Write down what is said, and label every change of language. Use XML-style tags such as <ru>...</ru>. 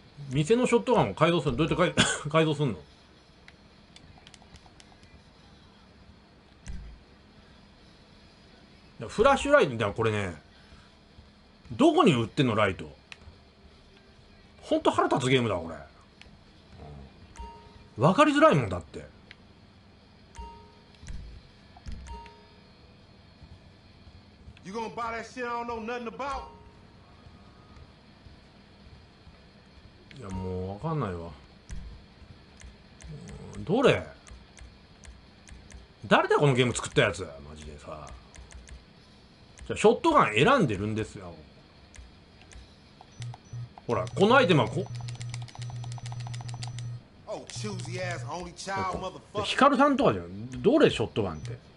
<ja>店のショットガンを改造する、どうやって改造すんの。フラッシュライトだ、これね。どこに売ってんの、ライト。ほんと腹立つゲームだ、これ。わかりづらいもんだって。</ja> <en>You gonna buy that shit I don't know nothing about?</en> <ja>いやもうわかんないわ。どれ？誰だこのゲーム作ったやつ、マジでさ。じゃあショットガン選んでるんですよ。ほらこのアイテムはこ、ヒカルさんとかじゃん。どれショットガンって。</ja>